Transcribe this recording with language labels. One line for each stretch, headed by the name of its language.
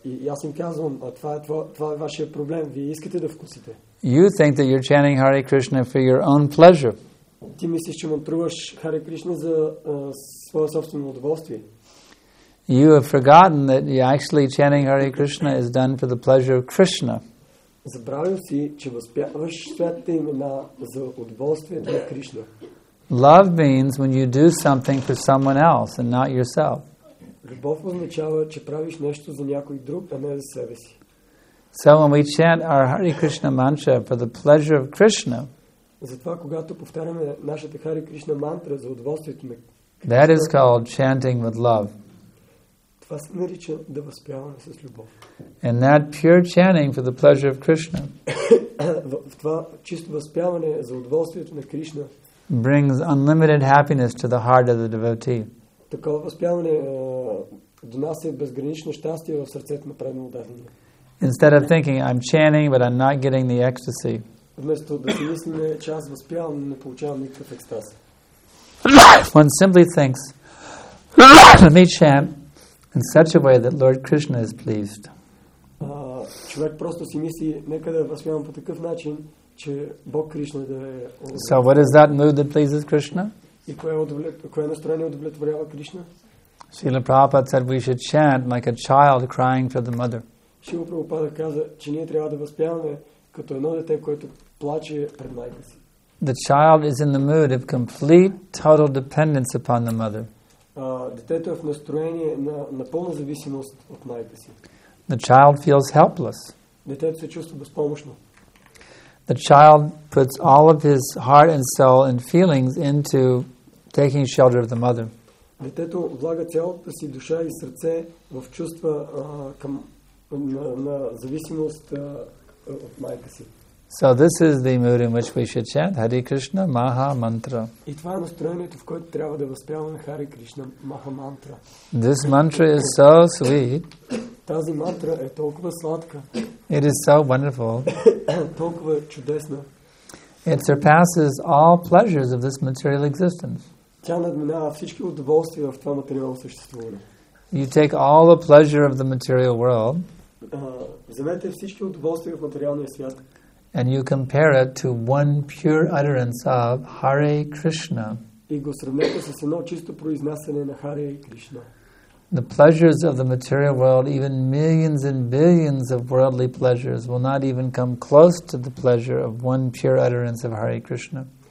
Bulgarian: Аз им казвам, това е вашия проблем. Вие искате да вкусите.
English: You think that you're chanting Hare Krishna for your own pleasure.
Bulgarian: Ти мислиш, че мантруваш Харе Кришна за своя собствено удоволствие.
English: You have forgotten that you're actually chanting Hare Krishna is done for the pleasure of Krishna.
Bulgarian: Забравил си, че възпяваш святите имена за удоволствие на Кришна.
English: Love means when you do something for someone else and not yourself.
Bulgarian: Любов означава, че правиш нещо за някой друг, а не за себе си.
English: So when we chant our Hare Krishna mantra for the pleasure of Krishna,
Bulgarian: затова когато повтаряме нашата Хари Кришна мантра за удоволствието на
English: Кришна, that is called chanting with love.
Bulgarian: Това се нарича да възпяваме с любов.
English: And that pure chanting for the pleasure of Krishna,
Bulgarian: това чисто възпяване за удоволствието на Кришна,
English: brings unlimited happiness to the heart of the devotee.
Bulgarian: Такова възпяване донася безгранично щастие в сърцето на преданодателя.
English: Instead of thinking, I'm chanting, but I'm not getting the ecstasy.
Bulgarian: Вместо да си мислиме, че аз възпявам, но не получавам никакъв екстаз.
English: One simply thinks, let me chant in such a way that Lord Krishna is pleased.
Bulgarian: Човек просто си мисли, нека да възпявам по такъв начин, че Бог Кришна да е...
English: So what is that mood that pleases Krishna?
Bulgarian: И кое настроение удовлетворява Кришна?
English: Srila Prabhupada said we should chant like a child crying for the mother.
Bulgarian: Шрила Прабхупада каза, че ние трябва да възпяваме като едно дете, което плаче пред майка си.
English: The child is in the mood of complete total dependence upon the mother.
Bulgarian: Детето е в настроение на пълна зависимост от майка си.
English: The child feels helpless.
Bulgarian: Детето се чувства безпомощно.
English: The child puts all of his heart and soul and feelings into taking shelter of the mother.
Bulgarian: Детето влага цялата си душа и сърце в чувства към на зависимост от майка си.
English: So this is the mood in which we should chant Hare Krishna Maha Mantra.
Bulgarian: И това е настроението, в което трябва да възпяваме Hare Krishna Maha Mantra.
English: This mantra is so sweet.
Bulgarian: Тази мантра е толкова сладка.
English: It is so wonderful.
Bulgarian: Толкова чудесна.
English: It surpasses all pleasures of this material existence.
Bulgarian: Тя надминава всички удоволствия в това материално съществуване.
English: You take all the pleasure of the material world,
Bulgarian: вземете всички удоволствия в материалния свят,
English: and you compare it to one pure utterance of Hare Krishna.
Bulgarian: И го сравнете с едно чисто произнасяне на Hare Krishna.
English: The pleasures of the material world, even millions and billions of worldly pleasures, will not even come close to the pleasure of one pure utterance of Hare Krishna.